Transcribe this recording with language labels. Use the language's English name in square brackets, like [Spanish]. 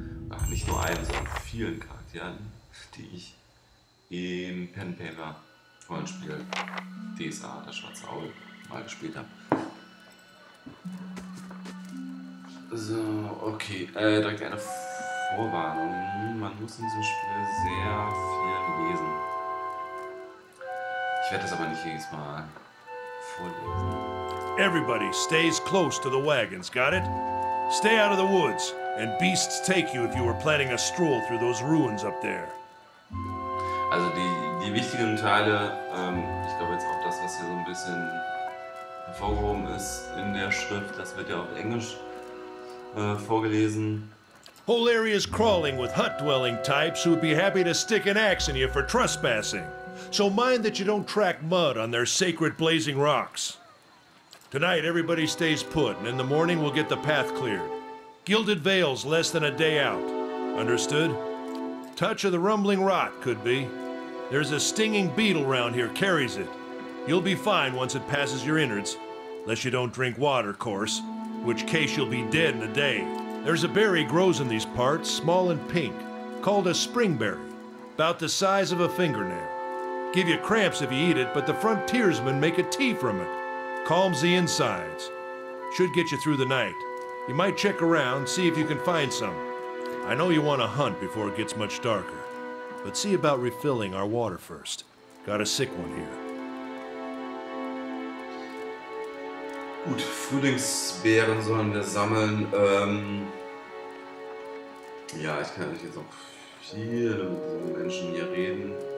[German] Ach, nicht nur einem, sondern vielen Charakteren, die ich im Pen and Paper Rollenspiel DSA, das schwarze Auge, mal gespielt habe. So, okay. Direkt eine Vorwarnung. Man muss in diesem Spiel sehr viel lesen. Ich werde das aber nicht jedes Mal vorlesen. [English] Everybody stays close to the wagons, got it? Stay out of the woods and beasts take you if you were planning a stroll through those ruins up there. [German] Also die wichtigen Teile, ich glaube jetzt auch das, was hier so ein bisschen hervorgehoben ist in der Schrift, das wird ja auf Englisch vorgelesen. [English] Whole areas crawling with hut-dwelling types who'd be happy to stick an axe in you for trespassing. So mind that you don't track mud on their sacred blazing rocks. Tonight everybody stays put and in the morning we'll get the path cleared. Gilded veils less than a day out. Understood? Touch of the rumbling rot, could be. There's a stinging beetle round here, carries it. You'll be fine once it passes your innards. Unless you don't drink water, of course. Which case you'll be dead in a day. There's a berry grows in these parts, small and pink. Called a springberry. About the size of a fingernail. Give you cramps if you eat it, but the frontiersmen make a tea from it. Calms the insides. Should get you through the night. You might check around, see if you can find some. I know you want to hunt before it gets much darker, but see about refilling our water first. Got a sick one here. [German] Gut, Frühlingsbeeren sollen wir sammeln. Ja, ich kann natürlich jetzt auch viel mit diesen Menschen hier reden.